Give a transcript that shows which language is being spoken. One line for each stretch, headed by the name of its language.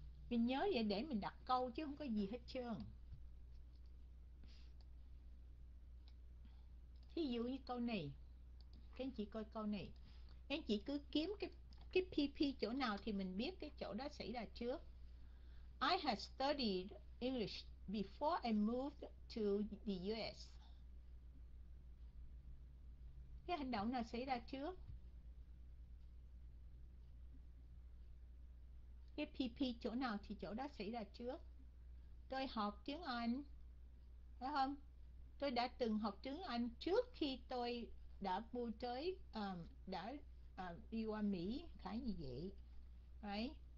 Vietnamese: Mình nhớ vậy để mình đặt câu chứ không có gì hết trơn. Thí dụ như câu này. Các anh chị coi câu này. Các anh chị cứ kiếm cái PP chỗ nào thì mình biết cái chỗ đó xảy ra trước.
English: I had studied English before I moved to the US.
Vietnamese: Cái hành động nào xảy ra trước? Cái PP chỗ nào thì chỗ đó xảy ra trước? Tôi học tiếng Anh, phải không? Tôi đã từng học tiếng Anh trước khi tôi đã mua tới, đã đi qua Mỹ, khá như vậy. Đấy.